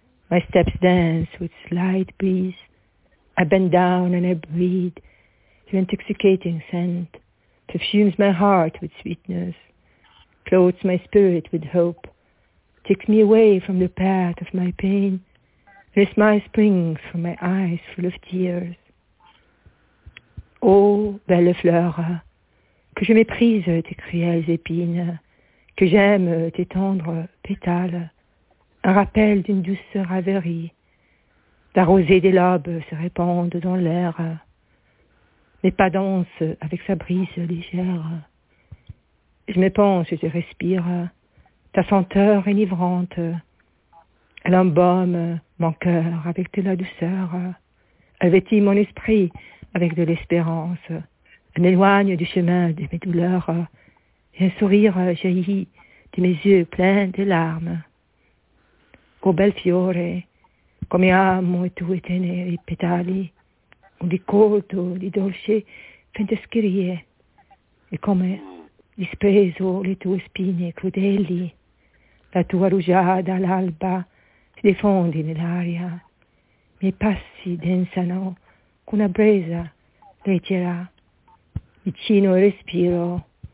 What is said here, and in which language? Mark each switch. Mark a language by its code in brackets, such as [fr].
[en] My steps dance with slight breeze. I bend down and I breathe your intoxicating scent. Perfumes my heart with sweetness, clothes my spirit with hope, takes me away from the path of my pain. Your smile springs from my eyes full of tears. [fr] Oh, belle fleur, que je méprise tes cruelles épines, que j'aime tes tendres pétales, un rappel d'une douce rêverie, ta rosée des lobes se répandent dans l'air, mes pas dansent avec sa brise légère. Je me penche et je respire, ta senteur enivrante, elle embaume mon cœur avec de la douceur, elle vêtit mon esprit avec de l'espérance. Elle m'éloigne du chemin de mes douleurs et un sourire jaillit de mes yeux pleins de larmes. [it] Ô bel fiore, come amo i tuoi teneri petali, un di colto di dolce fantascherie, e come disprezzo le tue spine crudeli, la tua rugiada all'alba si diffonde nell'aria, i miei passi densano con una brezza leggera. Vicino il respiro